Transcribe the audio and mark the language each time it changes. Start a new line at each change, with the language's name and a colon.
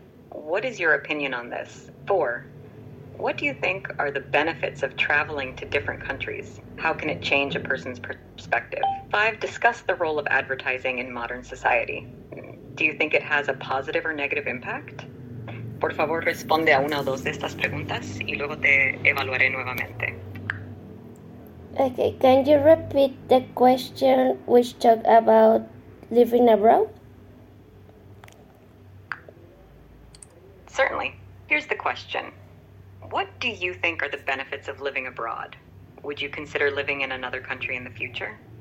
English: What is your opinion on this? 4. What do you think are the benefits of traveling to different countries? How can it change a person's perspective? 5. Discuss the role of advertising in modern society. Do you think it has a positive or negative impact?
Spanish: Por favor, responde a una o dos de estas preguntas y luego te evaluaré nuevamente.
English: Okay, can you repeat the question which talked about living abroad? Certainly. Here's the question. What do you think are the benefits of living abroad? Would you consider living in another country in the future?